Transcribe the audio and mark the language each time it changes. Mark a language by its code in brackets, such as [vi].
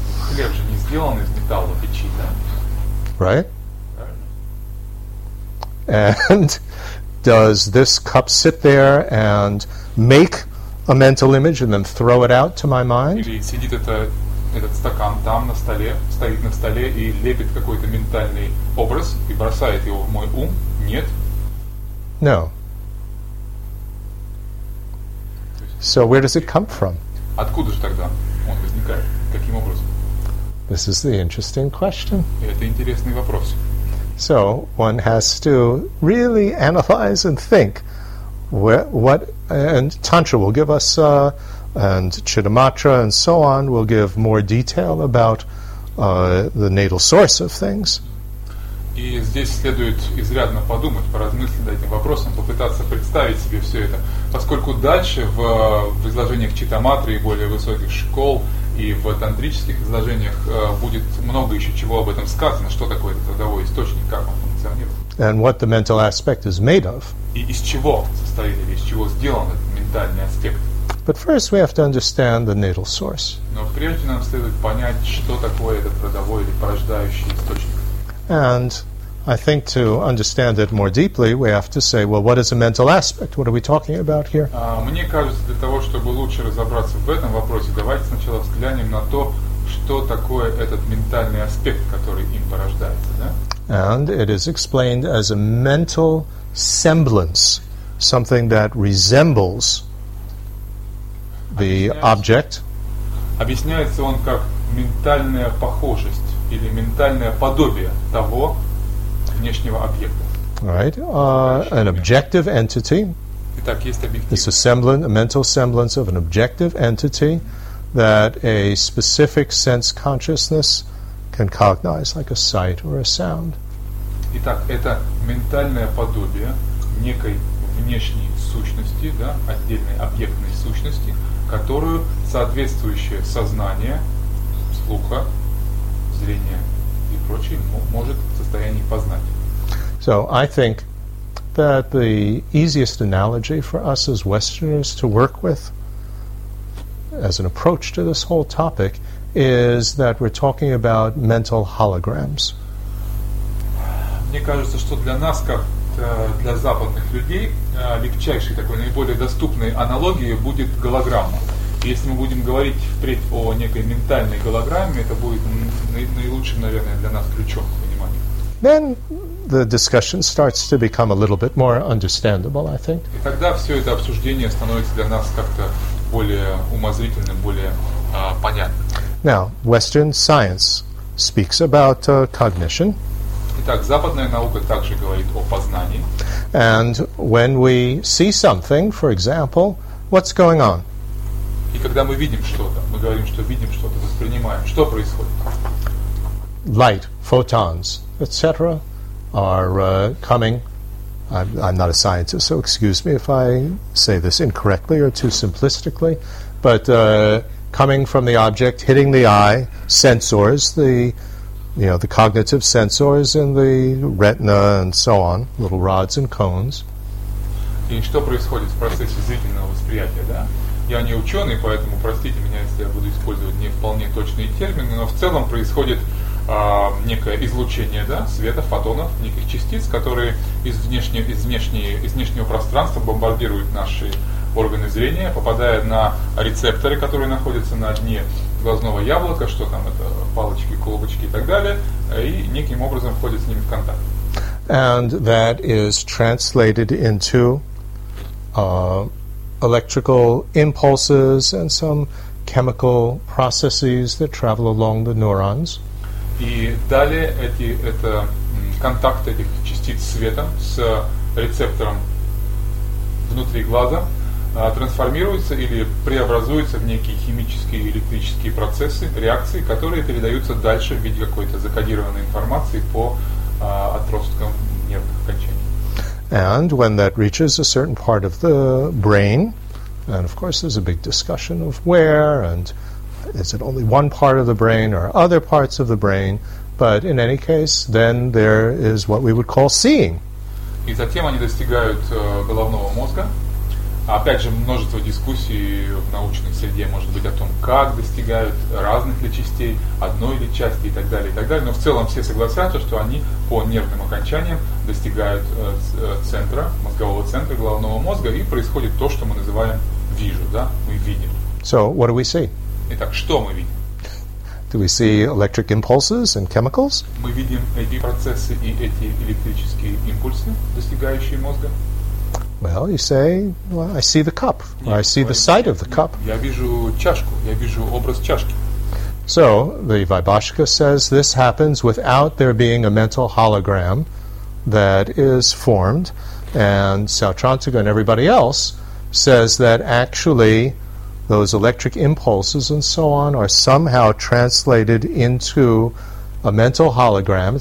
[ru] Хлеб же не сделан из металла печи, да? [en] Right? And does this cup sit there and make a mental image and then throw it out to my mind? [ru] Или сидит этот стакан там на столе, стоит на столе и лепит какой-то ментальный образ и бросает его в мой ум? Нет. [en] No. So where does it come from? [ru] Откуда же тогда он возникает? Каким образом? [en] This is the interesting question. [ru] Это интересный вопрос. [en] So one has to really analyze and think what and Tantra will give us and Chittamatra and so on will give more detail about the natal source of things. [ru] И здесь следует изрядно подумать, поразмыслить над этим вопросом, попытаться представить себе все это, поскольку дальше в изложениях Читаматры и более высоких школ и в тантрических изложениях будет много еще чего об этом сказано, что такое этот родовой источник, как он функционирует. [en] And what the mental aspect is made of. [ru] И из чего состоит или из чего сделан этот ментальный аспект. [en] But first we have to understand the natal source. [ru] Но прежде нам следует понять, что такое этот родовой или порождающий источник. [en] And I think to understand it more deeply, we have to say, well, what is a mental aspect? What are we talking about here? [ru] Мне кажется, для того, чтобы лучше разобраться в этом вопросе, давайте сначала взглянем на то, что такое этот ментальный аспект, который им порождается, да? [en] And it is explained as a mental semblance, something that resembles the object. [ru] Объясняется он как ментальная похожесть или ментальное подобие того внешнего объекта. [en] Right. An objective entity. [ru] Итак, есть объектив. [en] It's a semblance, a mental semblance of an objective entity that a specific sense consciousness can cognize, like a sight or a sound. [ru] Итак, это ментальное подобие некой внешней сущности, да, отдельной объектной сущности, которую соответствующее сознание, слуха, зрение и прочее может в состоянии познать. [en] So I think that the easiest analogy for us as Westerners to work with as an approach to this whole topic is that we're talking about mental holograms. [ru] Мне кажется, что для нас, как для западных людей, легчайшей такой, наиболее доступной аналогией будет голограмма. Если мы будем говорить впредь о некой ментальной голограмме, это будет наилучшим, наверное, для нас ключом к пониманию. [en] Then the discussion starts to become a little bit more understandable, I think. [ru] И тогда все это обсуждение становится для нас как-то более умозрительным, более понятным. [en] Now, Western science speaks about cognition. [ru] Итак, западная наука также говорит о познании. [en] And when we see something, for example, what's going on? [ru] И когда мы видим что-то, мы говорим, что видим что-то, воспринимаем, что происходит? [en] Light, photons, etc. are coming. I'm not a scientist, so excuse me if I say this incorrectly or too simplistically, but coming from the object, hitting the eye, sensors, the cognitive sensors in the retina and so on, little rods and cones. [ru] И что происходит в процессе зрительного восприятия, да? Я не ученый, поэтому простите меня, если я буду использовать не вполне точные термины, но в целом происходит некое излучение, да, света, фотонов, неких частиц, которые из внешнего пространства бомбардируют наши органы зрения, попадая на рецепторы, которые находятся на дне глазного яблока, что там это, палочки, колбочки и так далее, и неким образом входят с ними в контакт. [en] And that is translated into electrical impulses and some chemical processes that travel along the neurons. [ru] И далее это контакт этих частиц света с рецептором внутри глаза трансформируется или преобразуется в некие химические и электрические процессы, реакции, которые передаются дальше в виде какой-то закодированной информации по отросткам нервных окончаний. [en] And when that reaches a certain part of the brain, and of course there's a big discussion of where, and is it only one part of the brain or other parts of the brain, but in any case, then there is what we would call seeing. [ru] И затем они достигают головного мозга. Опять же, множество дискуссий в научной среде может быть о том, как достигают разных ли частей, одной ли части и так далее, но в целом все согласятся, что они по нервным окончаниям достигают центра, мозгового центра, головного мозга, и происходит то, что мы называем вижу, да, мы видим. [en] So, what do we see? [ru] Итак, что мы видим? [en] Do we see electric impulses and chemicals? [ru] Мы видим эти процессы и эти электрические импульсы, достигающие мозга. [en] Well, you say, well, I see the cup, or I see the side of the cup. [ru] Я вижу чашку, я вижу образ чашки. [en] So, the Vaibhashika says this happens without there being a mental hologram that is formed, and Sautrantika and everybody else says that actually those electric impulses and so on are somehow translated into a mental hologram.